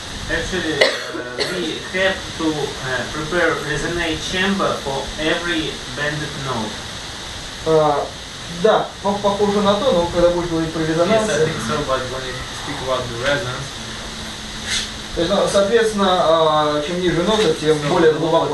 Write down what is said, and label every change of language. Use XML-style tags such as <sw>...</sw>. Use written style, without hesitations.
<en>Actually, we have to prepare resonate chamber for every bended note.</en> <ru>Да, похоже на то, но когда будет говорить про резонанс.</ru> <en>Yes, I think so, but when you speak about the resonance.</en> <ru>То есть, соответственно, чем ниже нота, тем более глубоко</ru>